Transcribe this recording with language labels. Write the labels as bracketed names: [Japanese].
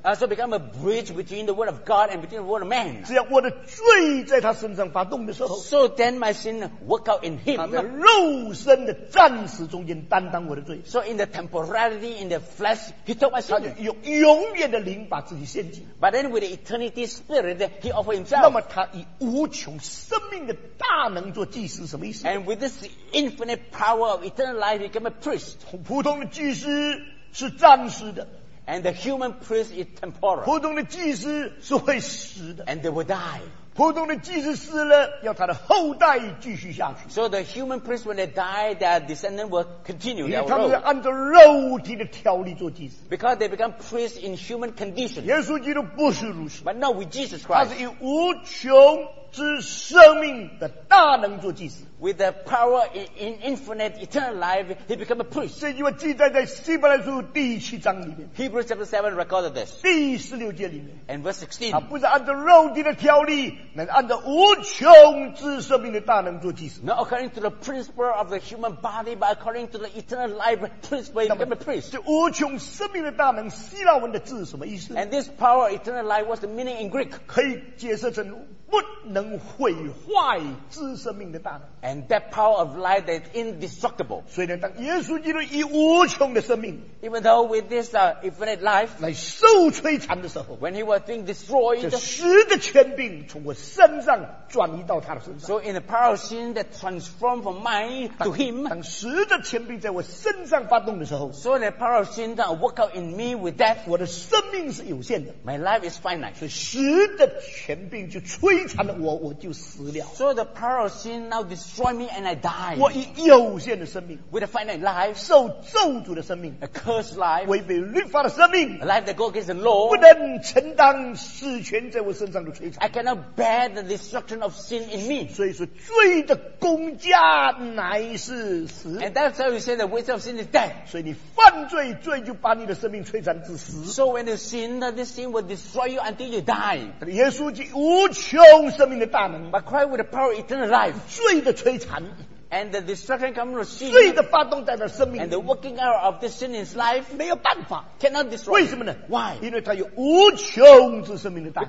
[English] So become a bridge between the word of God and between the word of man. [Chinese] 只要我的罪在他身上发动的时候。 [English] So then my sin work out in him. [Chinese] 他在肉身的暂时中间担当我的罪。 [English] So in the temporality, in the flesh, he took my sin. [Chinese] 他就用永远的灵把自己献祭。 [English] But then with the eternity spirit, he offered himself. [Chinese] 那么他以无穷生命的大能做祭司什么意思？ [English] And with this infinite power of eternal life, he became a priest. [Chinese] 普通的祭司是暂时的。 [English] And the human priest is temporal. [Chinese] 普通的祭司是会死的。 [English] And they will die. [Chinese] 普通的祭司死了，要他的后代继续下去。 [English] So the human priest when they die, their descendant will continue. [Chinese] 因为他们是按照肉体的条例做祭司。 [English] Because they become priests in human condition. [Chinese] 耶稣基督不是如此。 [English] But not with Jesus Christ. [Chinese] 他是以无穷之生命的大能做祭司。 [English] With the power in infinite eternal life, he became a priest. [Chinese] 这句话记载在希伯来书第七章里面。 [English] Hebrews chapter 7 recorded this. [Chinese] 第十六节里面。 [English] And verse 16. [Chinese] 他不是按照肉体的条例，乃按照无穷之生命的大能做祭司。 [English] Not according to the principle of the human body, but according to the eternal life principle, he became a priest. [Chinese] 这无穷生命的大能，希腊文的字什么意思？ [English] And this power, eternal life, what's the meaning in Greek? [Chinese] 可以解释成不能毁坏之生命的大能。 [English] And that power of life that is indestructible. [Chinese] 所以呢，当耶稣基督以无穷的生命 [English] ，even though with this infinite life， [Chinese] 来受摧残的时候 [English] ，when he was being destroyed， [Chinese] 这十的权柄从我身上转移到他的身上。 [English] So in the power of sin that transformed from mine to him， [Chinese] 当十的权柄在我身上发动的时候 [English] ，so the power of sin that work out in me with that， [Chinese] 我的生命是有限的 [English] ，my life is finite。 [Chinese] 所以十的权柄就摧残了我，我就死了。 [English] So the power of sin now destroy me and I die. [Chinese] 我以有限的生命 [English] with a finite life, [Chinese] 受咒诅的生命 [English] a cursed life, [Chinese] 违背律法的生命 [English] a life that goes against the law, [Chinese] 不能承担死权在我身上的摧残 [English] I cannot bear the destruction of sin in me. [Chinese] 所以说罪的工价乃是死 [English] and that's how you say the wages of sin is death. [Chinese] 所以你犯罪，罪就把你的生命摧残致死 [English] So when you sin, this sin will destroy you until you die. [Chinese] 耶稣基督无穷生命的大能 [English] but cry with the power of eternal life. [Chinese] 罪的摧残 [English] and the destruction coming from sin [Chinese] 罪的发动在他生命 [English] and the working out of this sin in his life [Chinese] 没有办法 [English] cannot destroy [Chinese] 为什么呢 [English] why [Chinese] 因为他有无穷之生命的大能